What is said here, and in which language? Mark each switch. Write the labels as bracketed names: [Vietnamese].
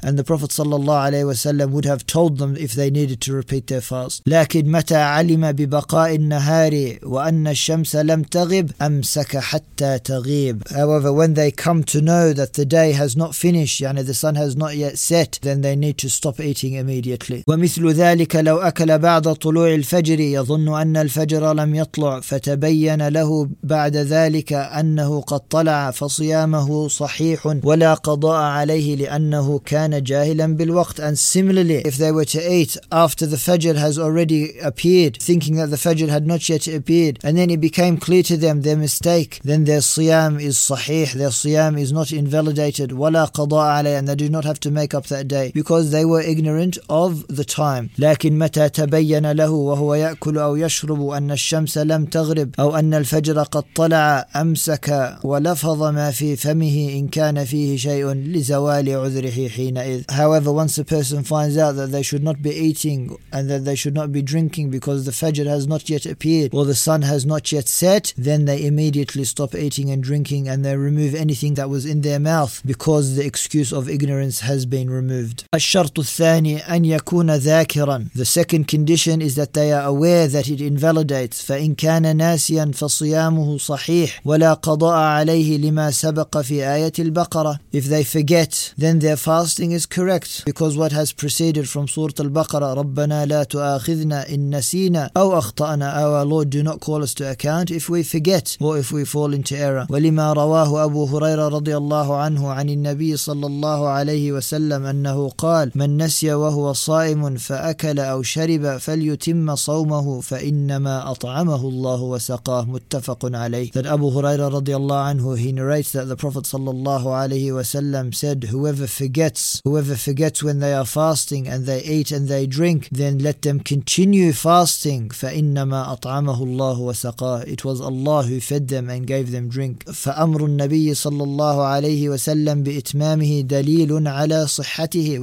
[English] And the Prophet [Arabic] صلى الله عليه وسلم [English] would have told them if they needed to repeat their fast. [Arabic] لَكِنْ مَتَى عَلِمَ بِبَقَاءِ النَّهَارِ وَأَنَّ الشَّمْسَ لَمْ تَغِبْ أَمْسَكَ حَتَّى تَغِيبْ. [English] However, when they come to know that the day has not finished, يعني the sun has not yet set, then they need to stop eating immediately. [Arabic] وَمِثْلُ ذَلِكَ لَوْ أكل بعد طلوع الفجر يظن أن الفجر لم يطلع فتبين له بعد ذلك أنه قد طلع فصيامه صحيح ولا قضاء عليه لأنه كان جاهلا بالوقت. [English] And similarly, if they were to eat after the fajr has already appeared, thinking that the fajr had not yet appeared, and then it became clear to them their mistake, then their صيام is صحيح, their صيام is not invalidated, [Arabic] ولا قضاء عليه, [English] and they do not have to make up that day because they were ignorant of the time. [Arabic] لكن متى تبين له وهو يأكل أو يشرب أن الشمس لم تغرب أو أن الفجر قد طلع أمسك ولفظ ما في فمه إن كان فيه شيء لزوال عذره حينئذ. [English] However, once a person finds out that they should not be eating and that they should not be drinking because the fajr has not yet appeared or the sun has not yet set, then they immediately stop eating and drinking and they remove anything that was in their mouth because the excuse of ignorance has been removed. [Arabic] الشرط الثاني أن يكون ذاكرا. [English] The second condition is that they are aware that it invalidates. [Arabic] فَإِنْ كَانَ نَاسِيًا فَصِيَامُهُ صَحِيحٌ وَلَا قَضَاءَ عَلَيْهِ لِمَا سَبَقَ فِي آيَةِ الْبَقَرَةِ. [English] If they forget, then their fasting is correct because what has proceeded from Surah Al-Baqarah, [Arabic] رَبَّنَا لَا تُؤَاخِذْنَا إِن نَسِينَا أَوْ أَخْطَأْنَا. [English] Our Lord, do not call us to account if we forget or if we fall into error. [Arabic] وَلِمَا رَوَاهُ أَبُو هُرَيْرَةَ رَضِيَ اللَّهُ عَنْهُ عَنِ النَّبِيِّ صَلَّى اللَّهُ عَلَيْهِ وَسَلَّمَ أَنَّهُ قَالَ مَنْ نَسِيَ وَهُوَ صَائِمٌ فَأَكَلَ أو شرب فليتم صومه فإنما أطعمه الله وسقاه. متفق عليه. [English] That Abu Huraira [Arabic] رضي الله عنه, [English] he narrates that the Prophet [Arabic] صلى الله عليه وسلم [English] said, whoever forgets when they are fasting and they eat and they drink, then let them continue fasting. [Arabic] فإنما أطعمه الله وسقاه. [English] It was Allah who fed them and gave them drink. [Arabic] فأمر النبي صلى الله عليه وسلم بإتمامه دليل على صحته.